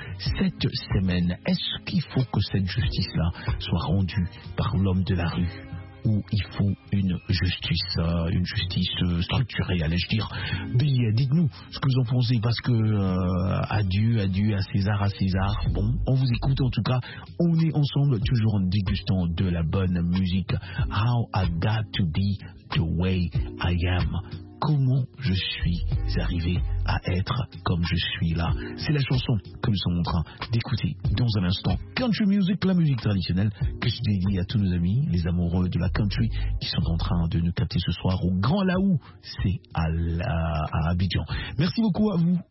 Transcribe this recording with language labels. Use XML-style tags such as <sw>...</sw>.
<fr>Cette semaine, est-ce qu'il faut que cette justice-là soit rendue par l'homme de la rue? Où il faut une justice structurée, allais-je dire. Dites-nous ce que vous en pensez, parce que adieu à César. Bon, on vous écoute en tout cas. On est ensemble, toujours en dégustant de la bonne musique.</fr> <en>How I got to be the way I am.</en> <fr>Comment je suis arrivé à être comme je suis là. C'est la chanson que nous sommes en train d'écouter dans un instant. Country music, la musique traditionnelle que je dédie à tous nos amis, les amoureux de la country qui sont en train de nous capter ce soir au Grand Laou. C'est à Abidjan. Merci beaucoup à vous.</fr>